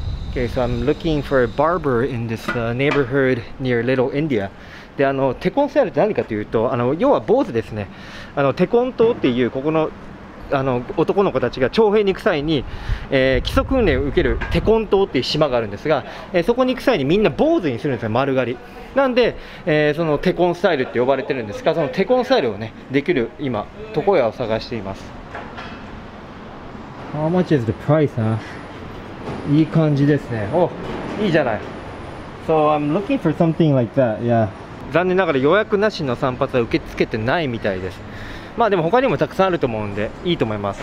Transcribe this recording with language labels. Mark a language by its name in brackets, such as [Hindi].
[English] Okay, so I'm looking for a barber in this neighborhood near Little India. [Japanese] で、あのテコンスタイルって何かというと、あの要は坊主ですね。あのテコン島っていうここの、あの男の子たちが徴兵に行く際に、基礎訓練を受けるテコン島っていう島があるんですが、そこに行く際にみんな坊主にするんですよ、丸刈り。なんで、そのテコンスタイルって呼ばれてるんですが、そのテコンスタイルをね、できる今、床屋を探しています。 [English] How much is the price, [Japanese] huh? いい感じですね。お、いいじゃない。 [English] So I'm looking for something like that, yeah. [Japanese] 残念ながら予約なしの散髪は受け付けてないみたいです。まあでも他にもたくさんあると思うんでいいと思います。